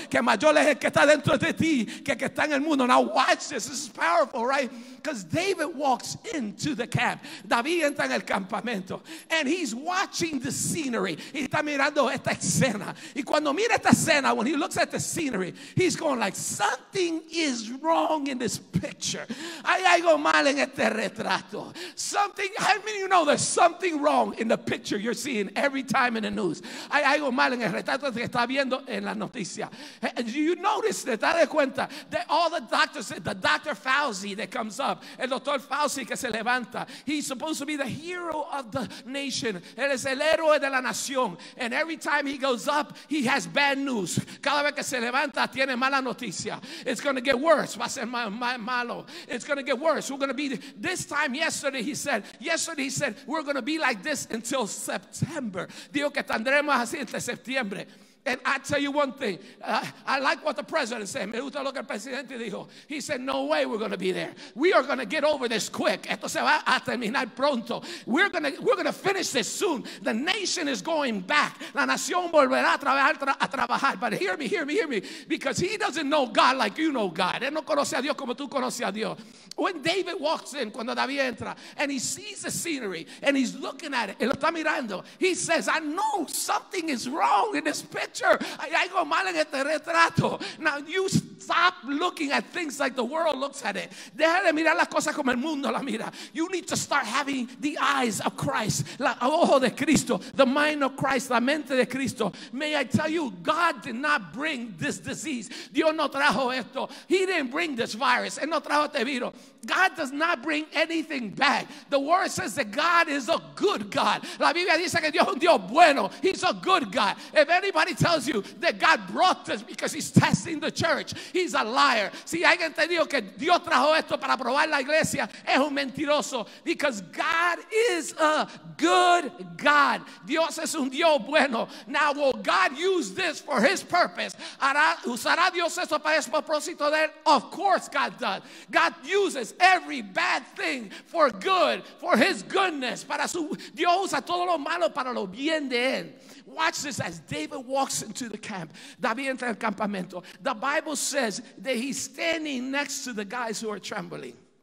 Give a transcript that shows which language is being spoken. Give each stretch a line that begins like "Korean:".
Spanish: Que mayor es el que está dentro de ti que está en el mundo.
English: Now watch this. This is powerful, right? Because David walks into the camp. David entra en el campamento. And he's watching the scenery.
Spanish: Y está mirando esta escena.
English: Y cuando mira esta escena, when he looks at the scenery, he's going like, something is wrong in this picture. Hay algo mal en este retrato. Something, how many of you know there's something wrong in the picture you're seeing every time in the news?
Spanish: Hay algo mal en el retrato que está viendo en la noticia.
English: And you notice that, dale cuenta, that all the doctors, the Dr. Fauci that comes up, el Dr. Fauci que se levanta, he's supposed to be the hero of the nation. Él es el héroe de la nación. And every time he goes up, he has bad news.
Spanish: Cada vez que se levanta, tiene mala noticia.
English: It's going to get worse. Va a ser malo. It's going to get worse. We're going to be this time. Yesterday he said, we're going to be like this until September. Dijo que tendremos así hasta septiembre. And I tell you one thing, I like what the president said. Me gusta lo que el presidente dijo. He said, no way we're going to be there. We are going to get over this quick. Esto se va a terminar pronto. We're going to finish this soon. The nation is going back. La nación volverá a trabajar. But hear me. Because he doesn't know God like you know God.
Spanish: Él no conoce a Dios como tú conoces a Dios.
English: When David walks in, cuando David entra, and he sees the scenery, and he's looking at it, y lo está mirando, he says, I know something is wrong in this picture. I go mal en este retrato. Now you stop looking at things like the world looks at it.
Spanish: Deja de mirar las cosas como el mundo la mira.
English: You need to start having the eyes of Christ, la ojo de Cristo, the mind of Christ, la mente de Cristo. May I tell you, God did not bring this disease.
Spanish: Dios no trajo esto. He didn't bring this virus. Él no trajo este virus.
English: God does not bring anything bad. The word says that God is a good God. La Biblia dice que Dios es un Dios bueno. He's a good God. If anybody tells you that God brought this because he's testing the church, he's a liar.
Spanish: Si alguien te dijo que Dios trajo esto para probar la iglesia, es un mentiroso.
English: Because God is a good God.
Spanish: Dios es un Dios bueno.
English: Now, will God use this for his purpose?
Spanish: ¿Usará Dios esto para el propósito de él? Of course God does.
English: God uses every bad thing for good, for his goodness.
Spanish: Para su Dios usa todo lo malo para lo bien de él.
English: Watch this. As David walks into the camp, David entra al campamento, the Bible says that he's standing next to the guys who are trembling.